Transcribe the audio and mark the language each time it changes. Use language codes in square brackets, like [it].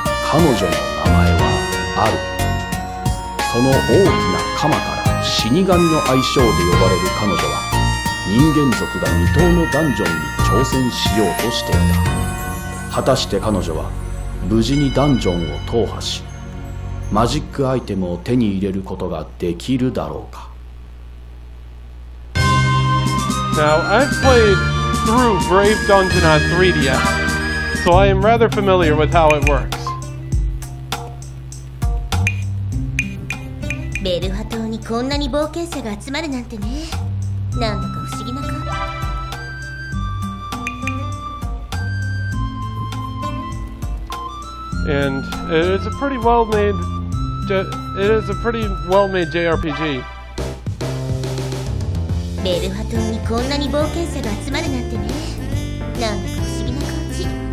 [ja] 彼女の名前はアル。その大きな鎌から死神の愛称で呼ばれる彼女は、人間族が未踏のダンジョンに挑戦しようとしていた。果たして彼女は無事にダンジョンを踏破し、マジックアイテムを手に入れることができるだろうか。 [en] Now I've played through Brave Dungeon on 3DS, so I am rather familiar with how it works. [ja] ベルハ島にこんなに冒険者が集まるなんてね、なんだか不思議な感じ。 [en] And it is a pretty well made JRPG. [ja] ベルハ島にこんなに冒険者が集まるなんてね、なんだか不思議な感じ。